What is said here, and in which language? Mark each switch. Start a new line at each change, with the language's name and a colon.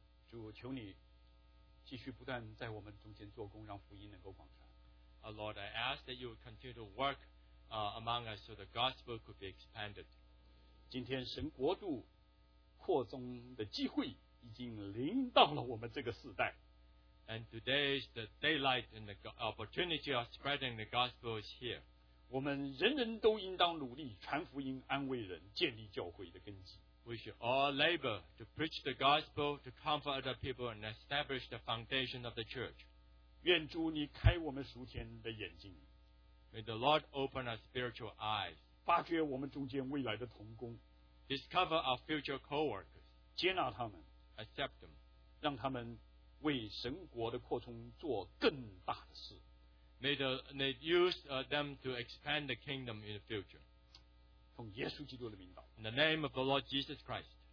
Chinese: 主，求你继续不断在我们中间做工，让福音能够广传。
English: Lord, I ask that you would continue to work among us so the gospel could be expanded.
Chinese: 今天神国度扩张的机会已经临到了我们这个世代。
English: And today is the daylight and the opportunity of spreading the gospel is here.
Chinese: 我们人人都应当努力传福音、安慰人、建立教会的根基。
English: We should all labor to preach the gospel, to comfort other people and establish the foundation of the church.
Chinese: 愿主你开我们属天的眼睛。
English: May the Lord open our spiritual eyes.
Chinese: 发掘我们中间未来的同工。
English: Discover our future co-workers.
Chinese: 接纳他们。
English: Accept them.
Chinese: 让他们为神国的扩充做更大的事。
English: May use them to expand the kingdom in the future.
Chinese: 奉耶稣基督的名祷。
English: In the name of the Lord Jesus Christ.